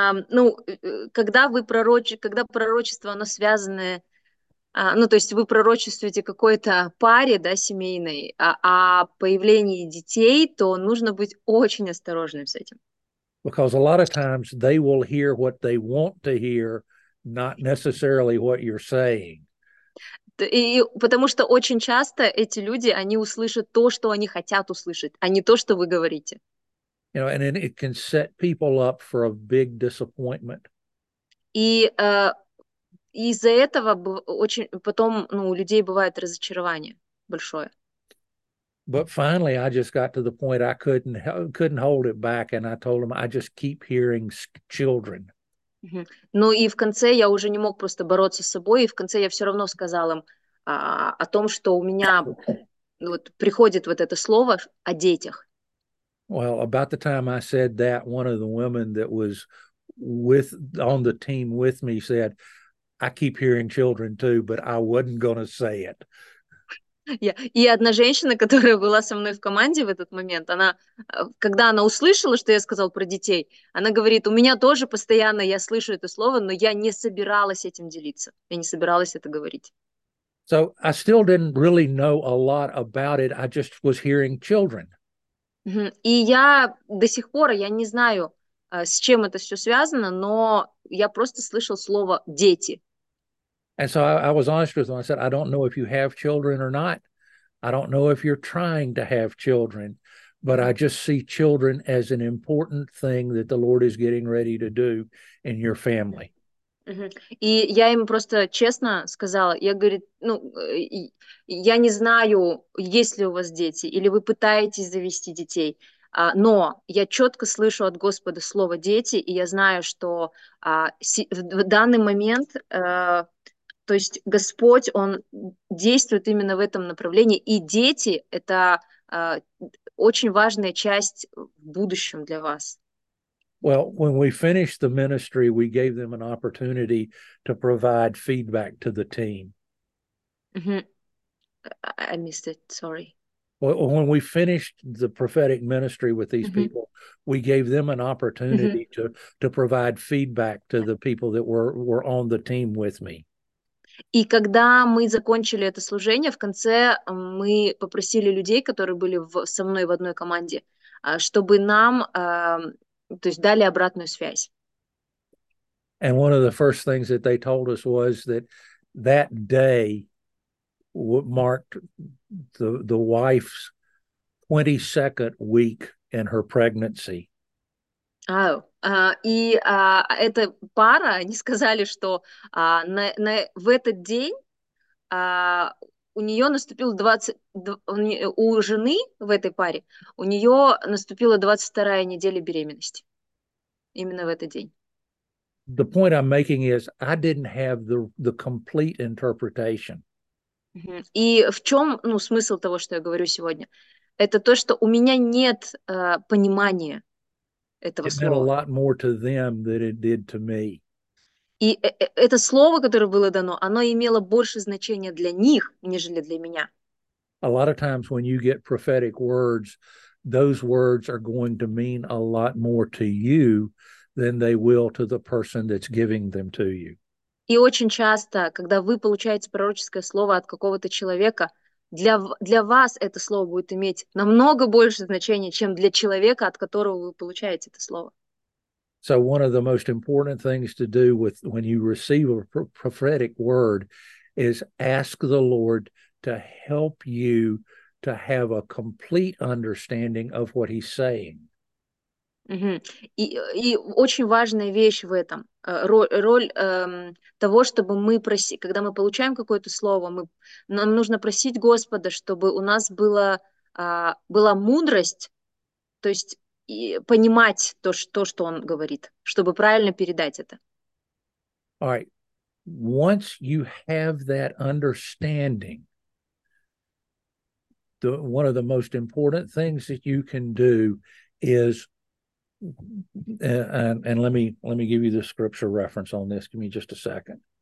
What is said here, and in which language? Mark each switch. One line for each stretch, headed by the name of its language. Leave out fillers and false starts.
Russian: Ну, когда вы когда пророчество, оно связанное, ну, то есть вы пророчествуете какой-то паре, да, семейной, а появлении детей, то нужно быть очень осторожным с этим.
English: Because a lot of times they will hear what they want to hear, not necessarily what you're saying.
Russian: И потому что очень часто эти люди, они услышат то, что они хотят услышать, а не то, что вы говорите.
English: You know, and then it can set people up for a big disappointment.
Russian: И из-за этого очень потом, ну, у людей бывает разочарование большое.
English: But finally, I just got to the point I couldn't hold it back, and I told him I just keep hearing children.
Russian: Ну и в конце я уже не мог просто бороться с собой, и в конце я все равно сказал им о том, что у меня вот приходит вот это слово о детях.
English: Well, about the time I said that, one of the women that was with on the team with me said, "I keep hearing children too, but I wasn't going to say it."
Russian: И одна женщина, которая была со мной в команде в этот момент, она, когда она услышала, что я сказал про детей, она говорит, у меня тоже постоянно я слышу это слово, но я не собиралась этим делиться, я не собиралась это говорить.
English: So I still didn't really know a lot about it, I just was hearing children.
Russian: И я до сих пор, я не знаю, с чем это все связано, но я просто слышал слово «дети».
English: And so I was honest with them. I said, I don't know if you have children or not. I don't know if you're trying to have children, but I just see children as an important thing that the Lord is getting ready to do in your family.
Russian: И я им просто честно сказала, я говорит, ну, я не знаю, есть ли у вас дети, или вы пытаетесь завести детей, но я четко слышу от Господа слово «дети», и я знаю, что в данный момент, то есть Господь, Он действует именно в этом направлении, и дети – это очень важная часть в будущем для вас.
English: Well, when we finished the ministry, we gave them an opportunity to provide feedback to the team. I missed it, sorry. Well, when we finished the prophetic ministry with these people, we gave them an opportunity to provide feedback to the people that were on the team with me.
Russian: И когда мы закончили это служение, в конце мы попросили людей, которые были со мной в одной команде, чтобы нам, то есть дали обратную связь.
English: And one of the first things that they told us was that day marked the wife's 22nd week in her pregnancy.
Russian: Эта пара, они сказали, что в этот день у нее наступил 20, у жены в этой паре, у нее наступила 22-я неделя беременности. Именно в этот день.
English: The point I'm making is I didn't have the complete interpretation.
Russian: И в чем, ну, смысл того, что я говорю сегодня? Это то, что у меня нет понимания этого
English: it Meant a lot more to them than it did to me.
Russian: И это слово, которое было дано, оно имело больше значения для них, нежели для меня.
English: A lot of times when you get prophetic words, those words are going to mean a lot more to you than they will to the person that's giving them to you.
Russian: И очень часто, когда вы получаете пророческое слово от какого-то человека, для вас это слово будет иметь намного больше значения, чем для человека, от которого вы получаете это слово.
English: So one of the most important things to do with when you receive a prophetic word is ask the Lord to help you to have a complete understanding of what he's saying.
Russian: И очень важная вещь в этом, роль того, чтобы мы просили, когда мы получаем какое-то слово, нам нужно просить Господа, чтобы у нас была мудрость, то есть и понимать то, что Он говорит, чтобы правильно передать это.
English: All right. Once you have that understanding, one of the most important things that you can do is and let me give you the scripture reference on this. Give me just a second.